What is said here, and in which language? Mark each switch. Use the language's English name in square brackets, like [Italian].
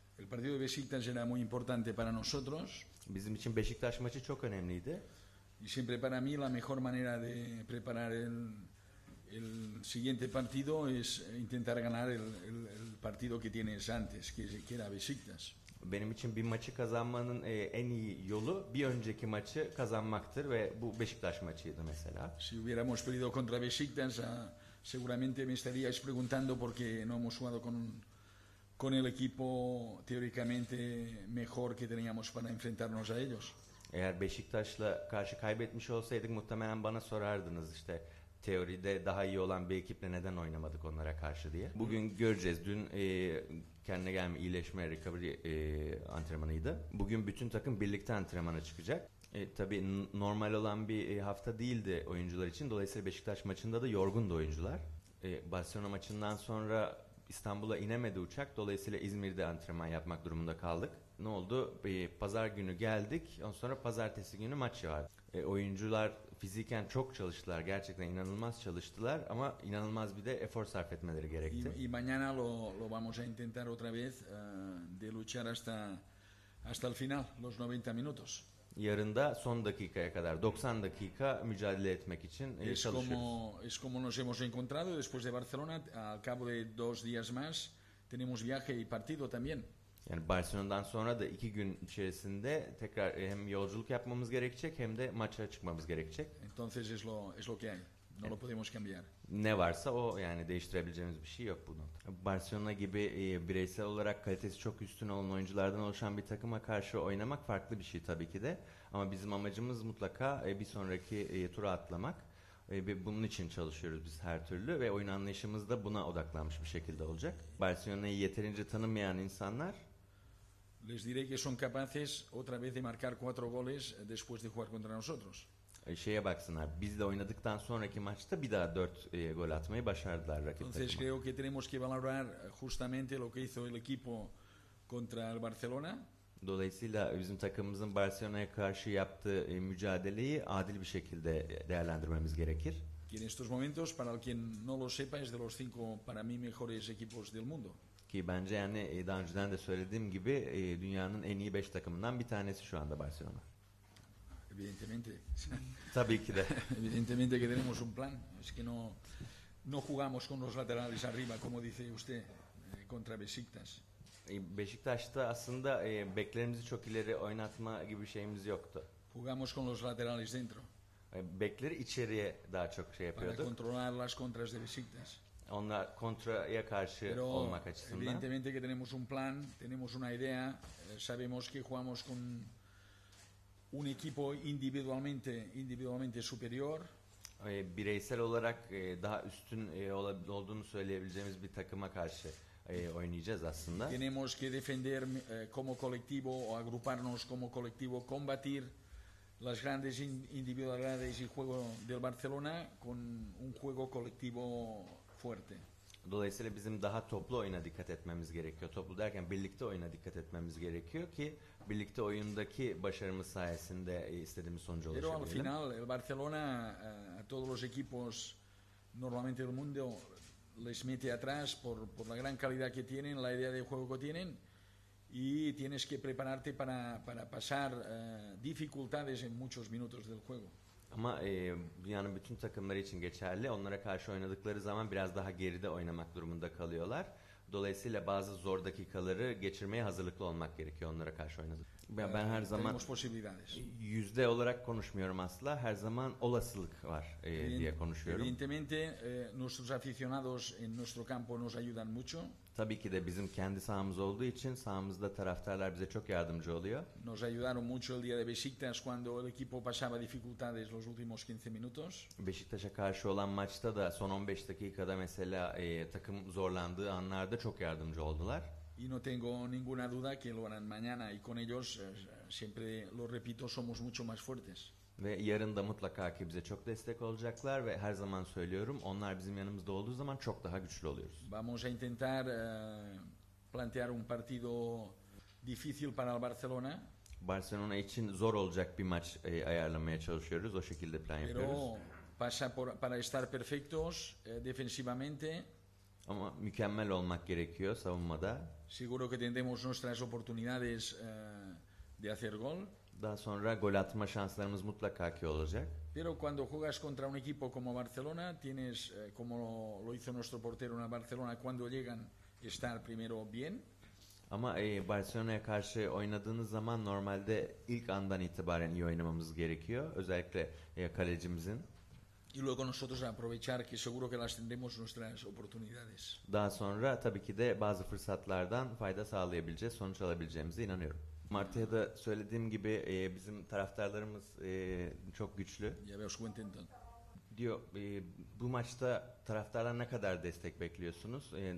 [Spanish] partido de Beşiktaş era muy importante para nosotros. [Turkish] Bizim için Beşiktaş maçı çok önemliydi. [Spanish] Y siempre para mí la mejor manera de preparar el siguiente partido es intentar ganar el partido que tienes antes, que era Beşiktaş. [Turkish] Benim için bir maçı kazanmanın en iyi yolu bir önceki maçı kazanmaktır ve bu Beşiktaş maçıydı mesela. [Spanish] Si hubiéramos perdido contra Beşiktaş, seguramente me estaríais preguntando por qué no hemos jugado con el equipo teóricamente mejor que teníamos para enfrentarnos a ellos. [Turkish] Eğer Beşiktaş'la karşı kaybetmiş olsaydık muhtemelen bana sorardınız işte teoride daha iyi olan bir ekiple neden oynamadık onlara karşı diye. Bugün göreceğiz. Dün kendine gelme, iyileşme, recovery antrenmanıydı. Bugün bütün takım birlikte antrenmana çıkacak. Tabii normal olan bir hafta değildi oyuncular için. Dolayısıyla Beşiktaş maçında da yorgundu oyuncular. Barcelona maçından sonra İstanbul'a inemedi uçak. Dolayısıyla İzmir'de antrenman yapmak durumunda kaldık. Ne oldu? Pazar günü geldik. Ondan sonra pazartesi günü maç vardı. Oyuncular fiziken çok çalıştılar. Gerçekten inanılmaz çalıştılar. Ama inanılmaz bir de efor sarf etmeleri gerekti. [Spanish] Y mañana lo vamos a intentar otra vez de luchar hasta el final, los 90 minutos. [Turkish] Yarın da son dakikaya kadar, 90 dakika mücadele etmek için çalışıyoruz. [Spanish] Es como nos hemos encontrado después de Barcelona, al cabo de dos días más, tenemos viaje y partido también. [Turkish] Yani Barcelona'dan sonra da iki gün içerisinde tekrar hem yolculuk yapmamız gerekecek hem de maça çıkmamız gerekecek. [Spanish] Entonces es lo que hay. No lo podemos cambiar. [Turkish] Ne varsa o yani değiştirebileceğimiz bir şey yok bunun. Barcelona gibi bireysel olarak kalitesi çok üstün olan oyunculardan oluşan bir takıma karşı oynamak farklı bir şey tabii ki de. Ama bizim amacımız mutlaka bir sonraki tura atlamak. Bunun için çalışıyoruz biz her türlü ve oyun anlayışımız da buna odaklanmış bir şekilde olacak. Barcelona'yı yeterince tanımayan insanlar... [Spanish] Les diré que son capaces otra vez de marcar cuatro goles después de jugar contra nosotros. [Turkish] Şeye baksınlar, bizle oynadıktan sonraki maçta bir daha 4 gol atmayı başardılar rakip takıma. [Spanish] Entonces creo que tenemos que valorar justamente lo que hizo el equipo contra el Barcelona. [Turkish] Dolayısıyla bizim takımımızın Barcelona'ya karşı yaptığı mücadeleyi adil bir şekilde değerlendirmemiz gerekir. [Spanish] En estos momentos, para el que no lo sepa, es de los 5 para mí mejores equipos del mundo. [Turkish] Ki bence yani daha önceden de söylediğim gibi dünyanın en iyi 5 takımından bir tanesi şu anda Barcelona. [Spanish] Evidentemente. [Turkish] Tabii ki de. [Spanish] Evidentemente que tenemos un plan. Es que no jugamos con los laterales arriba, como dice usted, contra Beşiktaş. [Turkish] Beşiktaş'ta aslında beklerimizi çok ileri oynatma gibi şeyimiz yoktu. [Spanish] Jugamos con los laterales dentro. [Turkish] Bekleri içeriye daha çok şey yapıyorduk. [Spanish] Para controlar las contras de Beşiktaş. [Turkish] Onlar kontraya karşı [Spanish] Pero [Turkish] olmak açısından. [Spanish] Evidentemente que tenemos un plan, tenemos una idea, sabemos que jugamos con un equipo individualmente superior. [Turkish] Bireysel olarak daha üstün olduğunu söyleyebileceğimiz bir takıma karşı oynayacağız aslında. [Spanish] Tenemos que defender como colectivo o agruparnos como colectivo, combatir las grandes individualidades y juego del Barcelona con un juego colectivo fuerte. [Turkish] Dolayısıyla bizim daha toplu oyuna dikkat etmemiz gerekiyor. Toplu derken birlikte oyuna dikkat etmemiz gerekiyor ki birlikte oyundaki başarımız sayesinde istediğimiz sonucu ulaşabilirim. [Spanish] Pero al final el Barcelona a todos los equipos normalmente del mundo les mete atrás por la gran calidad que tienen, la idea de juego que tienen y tienes que prepararte para pasar dificultades en muchos minutos del juego. [Turkish] Ama dünyanın bütün takımları için geçerli. Onlara karşı oynadıkları zaman biraz daha geride oynamak durumunda kalıyorlar. Dolayısıyla bazı zor dakikaları geçirmeye hazırlıklı olmak gerekiyor onlara karşı oynadık. Ben her zaman yüzde olarak konuşmuyorum asla. Her zaman olasılık var diye konuşuyorum. [Spanish] Evidentemente nuestros aficionados en nuestro campo nos ayudan mucho. [Turkish] Tabii ki de bizim kendi sahamız olduğu için sahamızda taraftarlar bize çok yardımcı oluyor. [Spanish] Nos ayudaron mucho el día de Beşiktaş cuando el equipo pasaba dificultades los últimos 15 minutos. [Turkish] Beşiktaş'a karşı olan maçta da son 15 dakikada mesela takım zorlandığı anlarda çok yardımcı oldular. [Spanish] Y no tengo ninguna duda que lo harán mañana y con ellos siempre lo repito somos mucho más fuertes. [Turkish] Ve yarın da mutlaka ki bize çok destek olacaklar ve her zaman söylüyorum onlar bizim yanımızda olduğu zaman çok daha güçlü oluyoruz. [Spanish] Vamos a intentar plantear un partido difícil para el Barcelona. [Turkish] Barcelona için zor olacak bir maç ayarlamaya çalışıyoruz. O şekilde plan [Spanish] Pero [Turkish] yapıyoruz. [Spanish] Pasa para estar perfectos defensivamente. [Turkish] Ama mükemmel olmak gerekiyor savunmada. [Spanish] Seguro que tendremos nuestras oportunidades de hacer gol. [Turkish] Daha sonra gol atma şanslarımız mutlaka ki olacak. [Spanish] Pero cuando juegas contra un equipo como Barcelona, tienes como lo hizo nuestro portero en Barcelona cuando llegan estar primero bien. [Turkish] Ama Barcelona'ya karşı oynadığınız zaman normalde ilk andan itibaren iyi oynamamız gerekiyor. Özellikle kalecimizin. [Spanish] Y luego nosotros aprovechar que seguro que las tendremos nuestras oportunidades. [Turkish] Daha sonra tabii ki de bazı fırsatlardan fayda sağlayabileceğiz, sonuç alabileceğimize inanıyorum. Martı'ya da söylediğim gibi bizim taraftarlarımız çok güçlü. [Spanish] Ya veo su intento. [Turkish] Diyor, bu maçta taraftarlar ne kadar destek bekliyorsunuz?